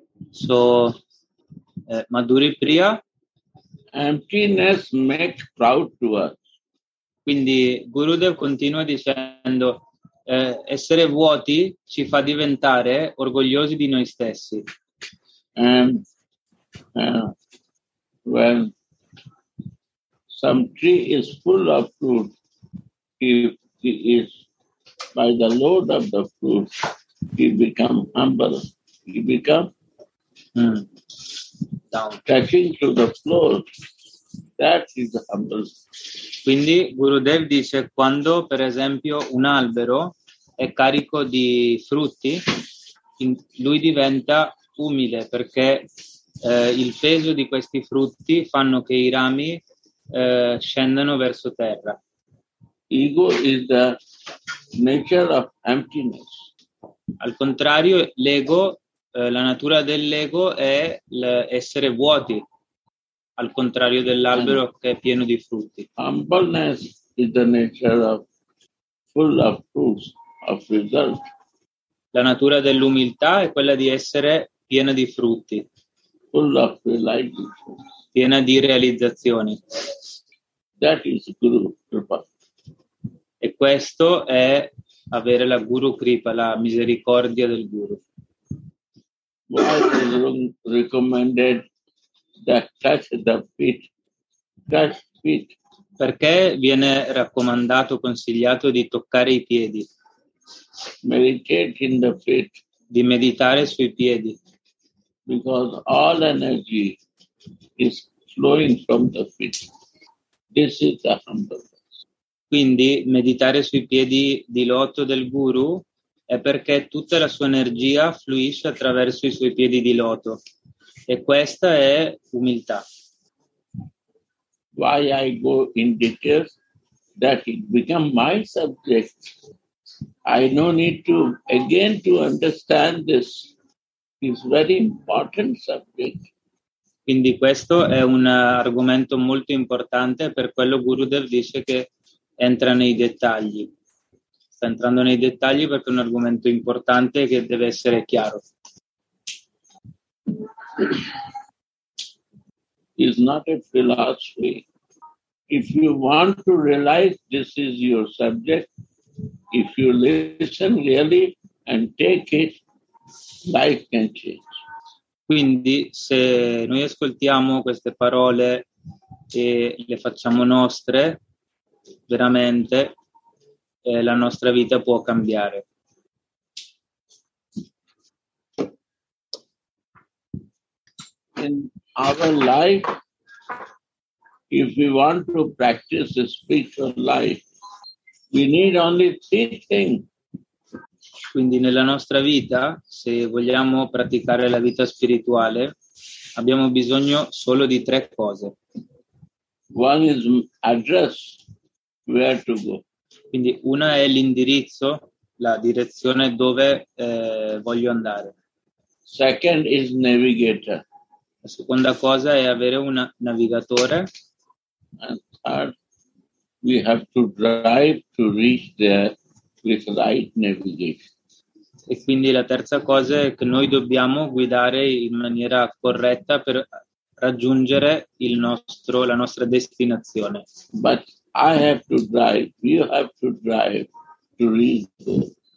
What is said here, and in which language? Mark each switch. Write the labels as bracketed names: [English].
[English] So, Madhuri Priya. Emptiness makes proud to us. [Italian] Quindi Gurudev continua dicendo. Essere vuoti ci fa diventare orgogliosi di noi stessi. [English] When some tree is full of fruit, if he is by the load of the fruit, he become humble. He become down, touching to the floor. That is humble. [Italian] Quindi Gurudev dice quando per esempio un albero è carico di frutti, lui diventa umile perché il peso di questi frutti fanno che i rami scendano verso terra. [English] Ego is the nature of emptiness. [Italian] Al contrario, l'ego, la natura dell'ego è l'essere vuoti, al contrario dell'albero che è pieno di frutti. [English] Humbleness is the nature of full of fruits, of results. [Italian] La natura dell'umiltà è quella di essere piena di frutti, [English] full of realizations, [Italian] piena di realizzazioni. [English] That is Guru Kripa. [Italian] E questo è avere la Guru Kripa, la misericordia del Guru. [English] Why the Guru recommended that touch the feet? Touch feet. [Italian] Perché viene raccomandato, consigliato di toccare i piedi? [English] Meditate in the feet. [Italian] Di meditare sui piedi. [English] Because all energy is flowing from the feet. This is the humbleness. [Italian] Quindi meditare sui piedi di loto del Guru è perché tutta la sua energia fluisce attraverso i suoi piedi di loto. E questa è umiltà. [English] Why I go in details that it become my subject. I no need to again to understand this. It's very important subject. [Italian] Quindi questo è un argomento molto importante, per quello Gurudev dice che entra nei dettagli. Sta entrando nei dettagli perché è un argomento importante che deve essere chiaro. [English] It's not a philosophy. If you want to realize this is your subject, if you listen really and take it, life can change. [Italian] Quindi, se noi ascoltiamo queste parole e le facciamo nostre, veramente, la nostra vita può cambiare. [English] In our life, if we want to practice the spiritual life, we need only three things. [Italian] Quindi nella nostra vita, se vogliamo praticare la vita spirituale, abbiamo bisogno solo di tre cose. [English] One is address, where to go. [Italian] Quindi una è l'indirizzo, la direzione dove voglio andare. [English] Second is navigator. [Italian] La seconda cosa è avere un navigatore. [English] And third, we have to drive to reach there with right navigation. [Italian] E quindi la terza cosa è che noi dobbiamo guidare in maniera corretta per raggiungere il nostro, la nostra destinazione. [English] But I have to drive, you have to drive to reach there.